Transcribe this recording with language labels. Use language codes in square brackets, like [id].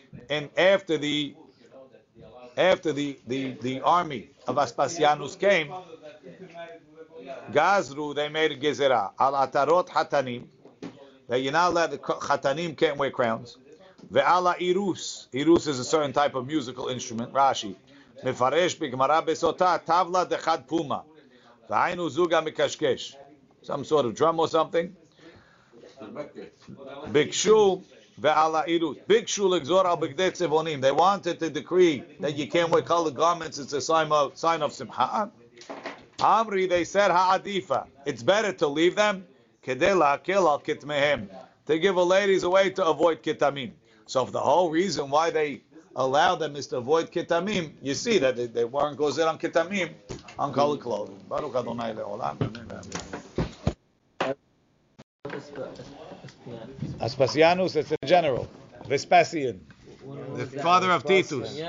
[en] And after the army of Aspasianus came, gazru, they made a gezerah. [he] Al atarot hatanim. [en] That you're not allowed, hatanim can't wear crowns. [he] Ve'ala irus. [en] Irus is a certain type of musical instrument. Rashi. [he] מפרש בגמרא בסוטה טבלה דחד פומה והיינו זוג המקשקש [en] some sort of drum or something [he] ביקשו ועל העירות ביקשו לגזור על בגדי צבעונים [en] they wanted to decree that you can't wear colored garments it's a sign of [he] שמחה אמרי [en] they said [he] העדיפה [en] it's better to leave them [he] כדי להקל על כתמיהם [en] to give the ladies a way to avoid [he] כתמים [en] so if the whole reason why they allow them is to avoid ketamim. You see that they weren't gozer on ketamim, on colored clothing. [he] Baruch Adonai le'olam. [en] Aspasianus, it's a general. Vespasian. The father of Titus.